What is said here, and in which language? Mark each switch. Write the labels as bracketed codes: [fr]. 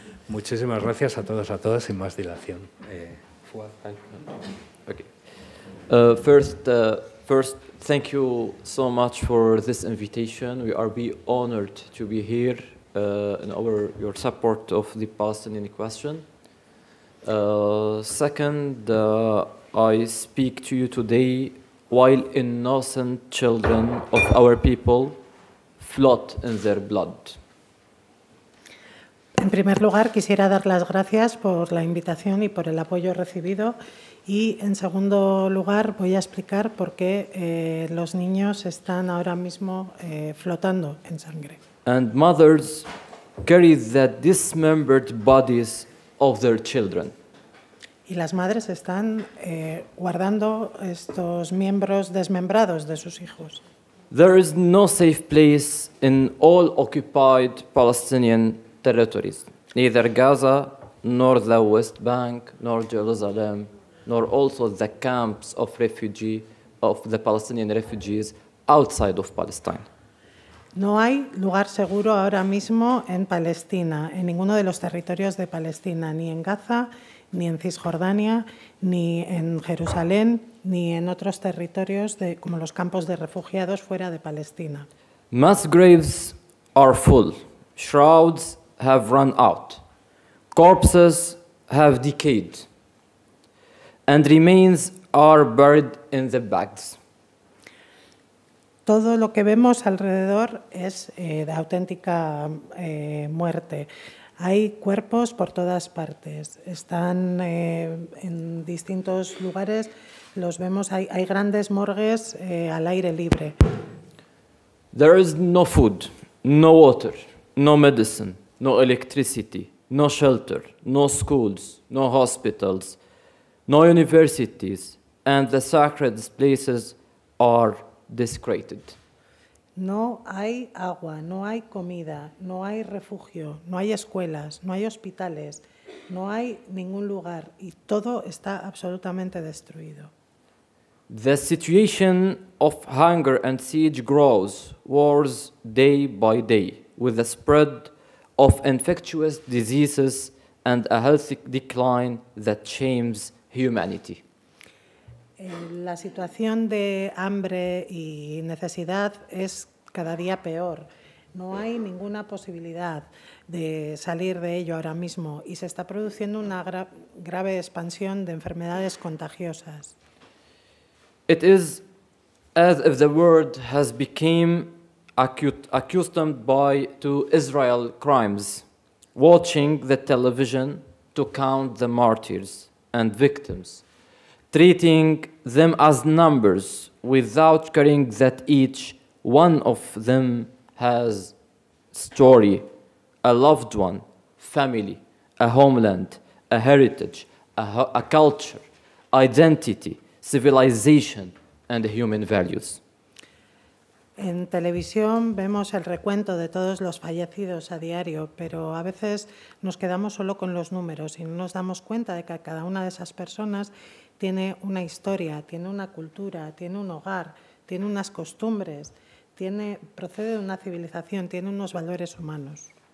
[es] Muchísimas gracias a todos, a todas, sin más dilación. [en] Okay. First, thank you so much for this invitation. We are honored to be here and over your support of the Palestinian question. Second, I speak to you today while innocent children of our people float in their blood. [es] En primer lugar, quisiera dar las gracias por la invitación y por el apoyo recibido. Y en segundo lugar, voy a explicar por qué los niños están ahora mismo flotando en sangre. [en] And mothers carry the dismembered bodies of their children. [es] Y las madres están guardando estos miembros desmembrados de sus hijos. [en] There is no safe place in all occupied Palestinian territories, neither Gaza, nor the West Bank, nor Jerusalem, nor also the camps of the Palestinian refugees outside of Palestine. [es] No hay lugar seguro ahora mismo en Palestina, en ninguno de los territorios de Palestina, ni en Gaza, ni en Cisjordania, ni en Jerusalén, ni en otros territorios como los campos de refugiados fuera de Palestina. [en] Mass graves are full. Shrouds have run out. Corpses have decayed. And remains are buried in the bags. [es] Todo lo que vemos alrededor es de auténtica muerte. Hay cuerpos por todas partes, están en distintos lugares, los vemos, hay grandes morgues al aire libre. [en] There is no food, no water, no medicine, no electricity, no shelter, no schools, no hospitals, no universities, and the sacred places are desecrated. [es] No hay agua, no hay comida, no hay refugio, no hay escuelas, no hay hospitales, no hay ningún lugar y todo está absolutamente destruido. [en] The situation of hunger and siege grows worse day by day with the spread of infectious diseases and a healthy decline that shames humanity. [es] La situación de hambre y necesidad es cada día peor. No hay ninguna posibilidad de salir de ello ahora mismo y se está produciendo una grave expansión de enfermedades contagiosas. [en] It is as if the world has become accustomed by to Israel crimes, watching the television to count the martyrs and victims, treating them as numbers without caring that each one of them has story, a loved one, family, a homeland, a heritage, a culture, identity, civilization, and human values. [es] En televisión vemos el recuento de todos los fallecidos a diario, pero a veces nos quedamos solo con los números y no nos damos cuenta de que cada una de esas personas tiene una historia, tiene una cultura, tiene un hogar, tiene unas costumbres, procede de una civilización, tiene unos valores humanos.